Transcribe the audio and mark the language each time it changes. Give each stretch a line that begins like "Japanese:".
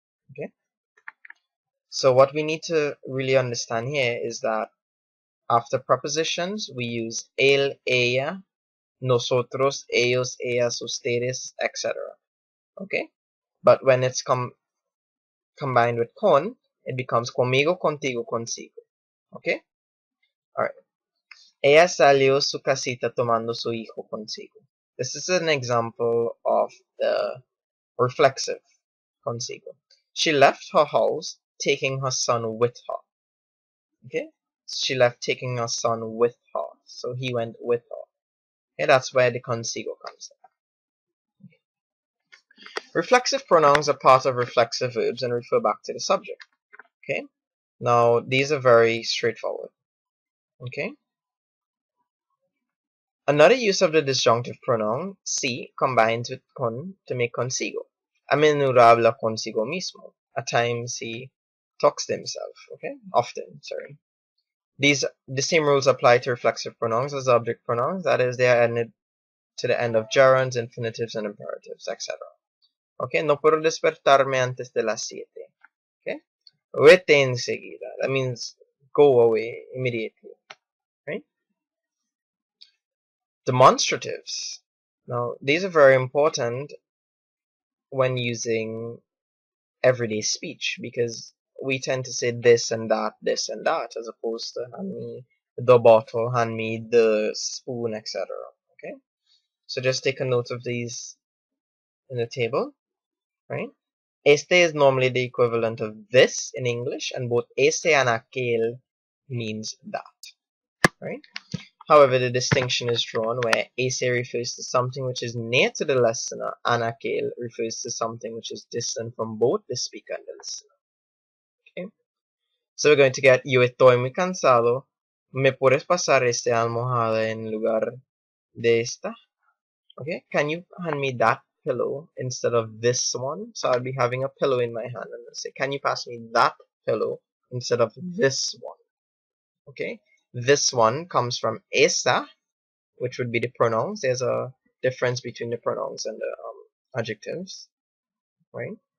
English: Okay? So what we need to really understand here is that after prepositions, we use él, ella, nosotros, ellos, ellas, ustedes, etc. Okay? But when it's combined with con, it becomes conmigo, contigo, consigo. Okay? Alright.
Spanish: Ella salió su casita tomando su hijo consigo.
English: This is an example of the reflexive consigo. She left her house taking her son with her. Okay? She left taking her son with her. So he went with her. Okay, that's where the consigo comes in. Reflexive pronouns are part of reflexive verbs and refer back to the subject. Okay? Now, these are very straightforward. Okay? Another use of the disjunctive pronoun si combines with con to make consigo.
Spanish: A menudo habla consigo mismo.
English: At times he talks to himself. Okay? Often, sorry. The same rules apply to reflexive pronouns as object pronouns, that is, they are added to the end of gerunds, infinitives, and imperatives, etc.
Spanish: Okay, no puedo despertarme antes de las siete.
English: Okay?
Spanish: Vete enseguida.
English: That means go away immediately. Demonstratives. Now, these are very important when using everyday speech because we tend to say this and that, as opposed to hand me the bottle, hand me the spoon, etc. Okay? So just take a note of these in the table. Right? Este is normally the equivalent of this in English, and both este and aquel means that. Right? However, the distinction is drawn where ese refers to something which is near to the listener and aquel refers to something which is distant from both the speaker and the listener. Okay? So we're going to get,
Spanish: yo estoy muy cansado. ¿Me puedes pasar esta almohada en lugar de esta?
English: Okay? Can you hand me that pillow instead of this one? So I'll be having a pillow in my hand and I'll say, can you pass me that pillow instead of this one? Okay? This one comes from esa, which would be the pronouns. There's a difference between the pronouns and the adjectives, right?